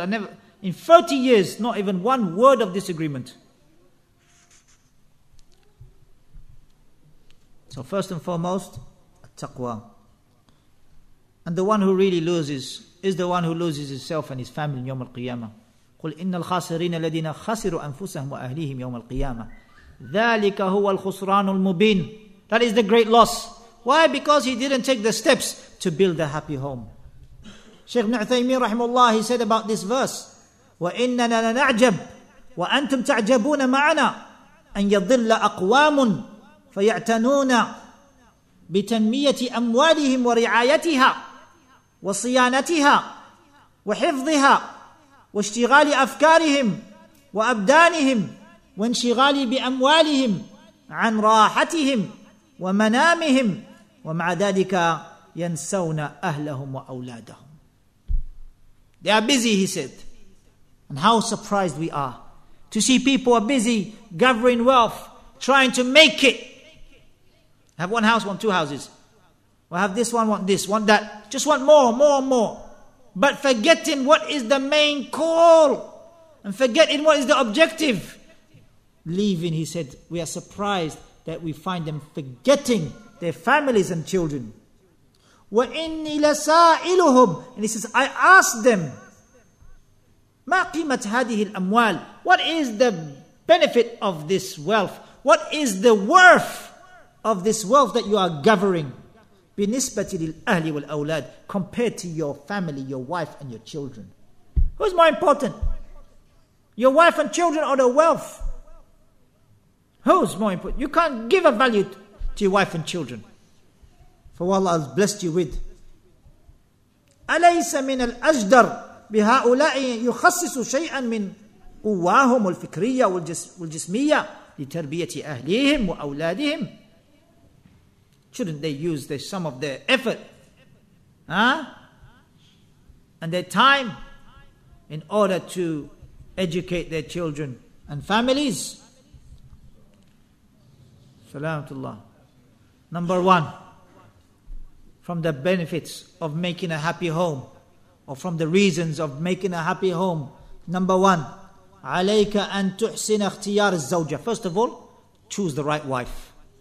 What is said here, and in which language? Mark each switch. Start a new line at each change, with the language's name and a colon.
English: I never, in 30 years, not even one word of disagreement. So first and foremost, taqwa. And the one who really loses is the one who loses himself and his family in Yawm al-Qiyamah.
Arabic: قُلْ إِنَّ الْخَاسِرِينَ الَّذِينَ خَسِرُوا أَنفُسَهُمْ وَأَهْلِهِمْ يَوْمَ الْقِيَامَةِ ذَلِكَ هُوَ الْخُسْرَانُ الْمُبِينَ.
English: That is the great loss. Why? Because he didn't take the steps to build a happy home. Shaykh Ibn Uthaymeen rahimahullah, he said about this verse,
Arabic: وَإِنَّنَا لَنَعْجَبْ وَأَنْتُمْ تَعْجَبُونَ مَعَنَا أَنْ يَضِلَّ أَقْوَامٌ فَيَعْتَنُونَ بِتَنْمِيَةِ أَمْوَالِهِمْ وَرِعَايَتِهَا وَصِيَانَتِهَا وَحِفْظِهَا وَاشْتِغَالِ أَفْكَارِهِمْ وَأَبْدَانِهِمْ وَانْشِغَالِ بِأَمْوَالِهِمْ عَنْ رَاحَتِهِمْ وَمَنَامِهِمْ وَمَعَ ذَلِكَ يَنْسَوْنَ أَهْلَهُمْ وَأَوْلَادَهُمْ.
English: They are busy, he said. And how surprised we are to see people are busy gathering wealth, trying to make it. Have one house, want two houses. Well, have this, want that. Just want more. But forgetting what is the main call and forgetting what is the objective. Leaving, he said, we are surprised that we find them forgetting their families and children.
Arabic: وَإِنِّي لَسَائِلُهُمْ
English: And he says, I asked them,
Arabic: مَا قِيمَةْ هَذِهِ الْأَمْوَالِ
English: What is the benefit of this wealth? What is the worth of this wealth that you are gathering?
Arabic: بِنِسْبَةِ لِلْأَهْلِ وَالْأَوْلَادِ
English: Compared to your family, your wife and your children. Who's more important? Your wife and children or the wealth? Who's more important? You can't give a value to your wife and children. For what Allah has blessed you with.
Arabic: أَلَيْسَ مِنَ الْأَجْدَرِ بِهَٰؤُلَاءِ يُخَصِّصُ شَيْئًا مِنْ قُوَّاهُمُ الْفِكْرِيَّةِ وَالْجِسْمِيَّةِ لِتَرْبِيَةِ أَهْلِهِمْ وَأَوْلَادِهِمْ
English: Shouldn't they use some of their effort? And their time in order to educate their children and families? Salamatullah. Number one, from the benefits of making a happy home, or from the reasons of making a happy home, number one,
Arabic: عَلَيْكَ أَن تُحْسِنَ اخْتِيَارِ الزَّوْجَةِ
English: First of all, choose the right wife.